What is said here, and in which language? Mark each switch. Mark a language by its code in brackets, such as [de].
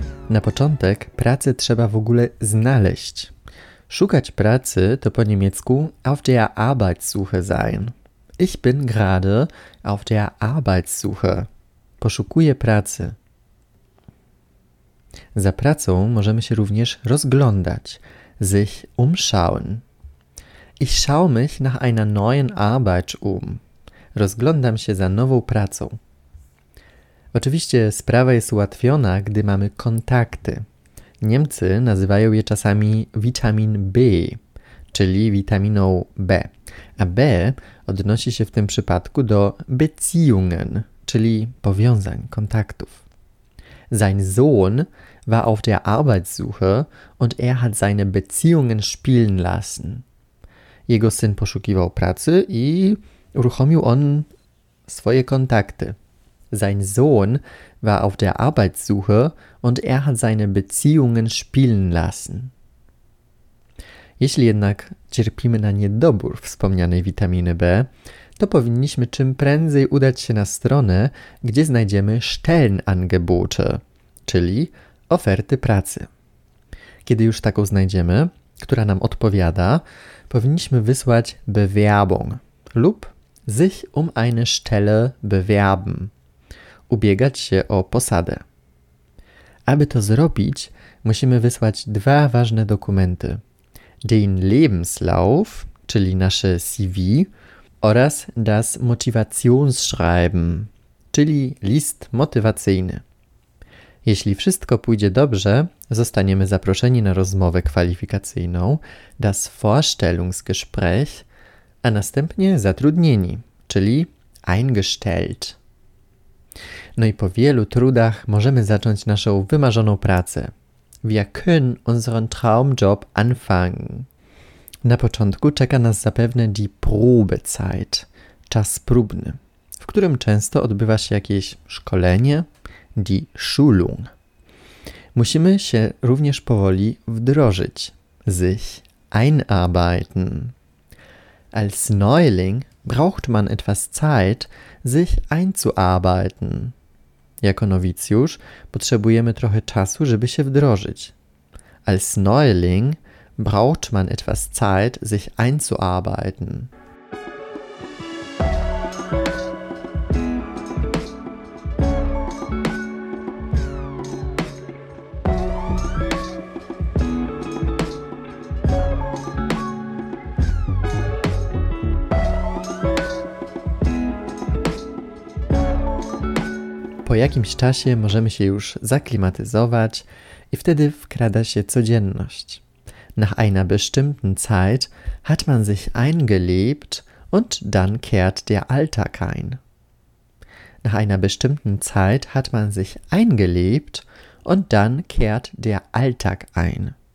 [pl] Na początek pracę trzeba w ogóle znaleźć. Szukać pracy to po niemiecku [de] auf der Arbeitssuche sein. Ich bin gerade auf der Arbeitssuche. [pl] Poszukuję pracy. Za pracą możemy się również rozglądać. [de] Sich umschauen. Ich schaue mich nach einer neuen Arbeit um. [pl] Rozglądam się za nową pracą. Oczywiście sprawa jest ułatwiona, gdy mamy kontakty. Niemcy nazywają je czasami Vitamin B, czyli witaminą B. A B odnosi się w tym przypadku do Beziehungen, czyli powiązań, kontaktów. [de] Sein Sohn war auf der Arbeitssuche und er hat seine Beziehungen spielen lassen. [pl] Jego syn poszukiwał pracy i uruchomił on swoje kontakty. [de] Sein Sohn war auf der Arbeitssuche und er hat seine Beziehungen spielen lassen. [pl] Jeśli jednak cierpimy na niedobór wspomnianej witaminy B, to powinniśmy czym prędzej udać się na stronę, gdzie znajdziemy Stellenangebote, czyli oferty pracy. Kiedy już taką znajdziemy, która nam odpowiada, powinniśmy wysłać Bewerbung lub [de] sich um eine Stelle bewerben. [pl] Ubiegać się o posadę. Aby to zrobić, musimy wysłać dwa ważne dokumenty. [de] Den Lebenslauf, [pl] czyli nasze CV, oraz [de] das Motivationsschreiben, [pl] czyli list motywacyjny. Jeśli wszystko pójdzie dobrze, zostaniemy zaproszeni na rozmowę kwalifikacyjną, [de] das Vorstellungsgespräch, [pl] a następnie zatrudnieni, czyli eingestellt. No i po wielu trudach możemy zacząć naszą wymarzoną pracę. [de] Wir können unseren Traumjob anfangen. [pl] Na początku czeka nas zapewne [de] die Probezeit, [pl] czas próbny, w którym często odbywa się jakieś szkolenie, [de] die Schulung. [pl] Musimy się również powoli wdrożyć, [de] sich einarbeiten. Als Neuling braucht man etwas Zeit, sich einzuarbeiten. [pl] Jako nowicjusz potrzebujemy trochę czasu, żeby się wdrożyć. [de] Als Neuling braucht man etwas Zeit, sich einzuarbeiten. [pl] Po jakimś czasie możemy się już zaklimatyzować i wtedy wkrada się codzienność. [de] Nach einer bestimmten Zeit hat man sich eingelebt und dann kehrt der Alltag ein. Nach einer bestimmten Zeit hat man sich eingelebt und dann kehrt der Alltag ein.